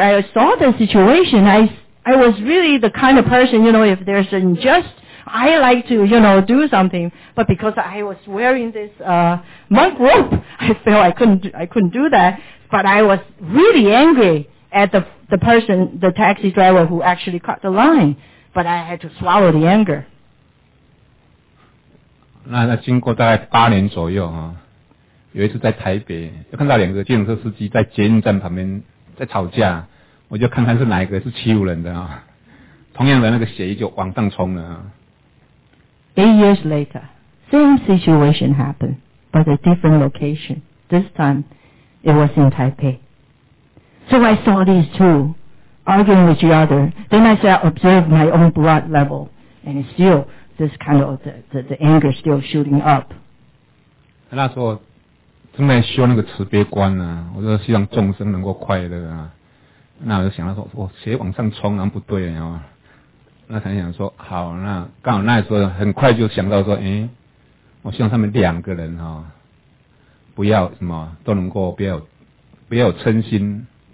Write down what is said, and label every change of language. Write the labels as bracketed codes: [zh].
[en] I saw the situation. I was really the kind of person, you know, if there's an injustice, I like to, you know, do something. But because I was wearing this monk robe, I felt I couldn't do that. But I was really angry at the person, the taxi driver who actually cut the line. But I had to swallow the anger. [zh] 那经过大概八年左右啊，有一次在台北，就看到两个计程车司机在捷运站旁边在吵架，我就看看是哪一个是欺负人的啊。同样的那个血液就往上冲了。 [en] Eight years later, same situation happened, but a different location. This time, it was in Taipei. So I saw these two arguing with each other. Then I said, observe my own blood level, and it's still this kind of the anger still shooting up. [zh] 那时候正在修那个慈悲观呢、啊，我说希望众生能够快乐啊。那我就想到说，血往上冲，然后不对啊。那才想说好，那刚好那时候很快就想到说，诶、欸、我希望他们两个人齁、哦、不要什么都能够不要有嗔心。